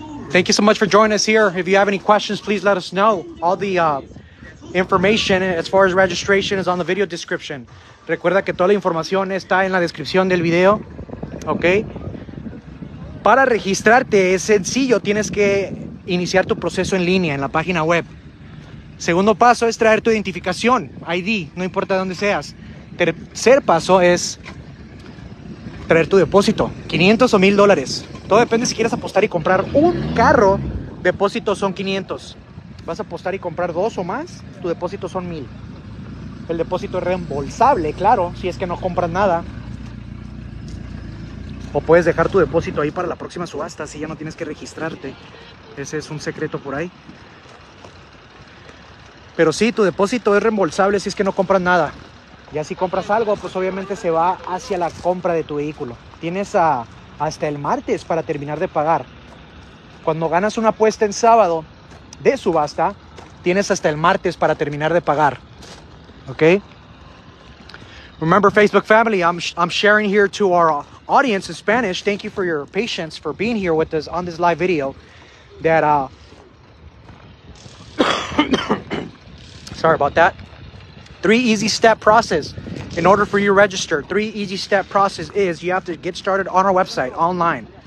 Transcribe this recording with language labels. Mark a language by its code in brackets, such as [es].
[en] Thank you so much for joining us here. If you have any questions, please let us know. All the information as far as registration is on the video description. [es] Recuerda que toda la información está en la descripción del video. Okay. Para registrarte es sencillo, tienes que iniciar tu proceso en línea, en la página web. Segundo paso es traer tu identificación, ID, no importa dónde seas. Tercer paso es traer tu depósito, $500 o $1,000. Todo depende si quieres apostar y comprar un carro, depósito son 500. Vas a apostar y comprar dos o más, tu depósito son 1,000. El depósito es reembolsable, claro, si es que no compras nada. O puedes dejar tu depósito ahí para la próxima subasta, si ya no tienes que registrarte. Ese es un secreto por ahí. Pero sí, tu depósito es reembolsable si es que no compras nada. Y así compras algo, pues obviamente se va hacia la compra de tu vehículo. Tienes hasta el martes para terminar de pagar. Cuando ganas una apuesta en sábado de subasta, tienes hasta el martes para terminar de pagar. ¿Ok? [en] Remember, Facebook family, I'm sharing here to our audience in Spanish. Thank you for your patience for being here with us on this live video. That, sorry about that. Three easy step process in order for you to register. Three easy step process is you have to get started on our website online.